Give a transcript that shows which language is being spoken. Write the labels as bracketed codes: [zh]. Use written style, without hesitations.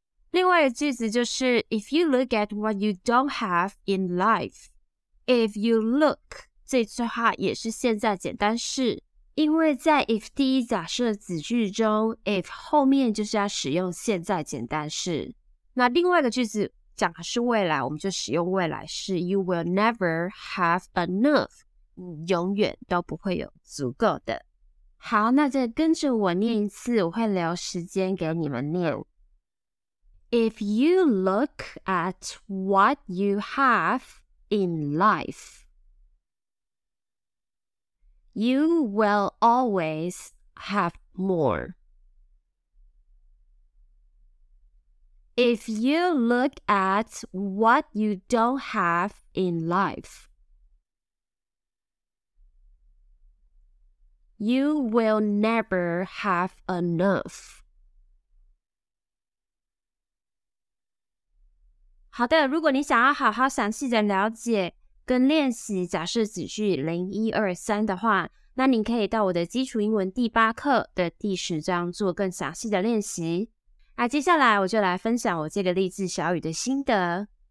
[zh] 另外一个句子就是 [en] If you look at what you don't have in life， If you look [zh] 这句话也是现在简单式，因为在 if 第一假设子句中， if 后面就是要使用现在简单式。那另外一个句子讲的是未来，我们就使用未来式。 [en] You will never have enough， [zh] 永远都不会有足够的。好，那再跟着我念一次，我会留时间给你们念。 [en] If you look at what you have in lifeYou will always have more. If you look at what you don't have in life, you will never have enough. [zh] 好的，如果你想要好好详细的了解跟练习假设子句0123的话，那你可以到我的基础英文第八课的第十章做更详细的练习。那接下来我就来分享我这个励志小语的心得。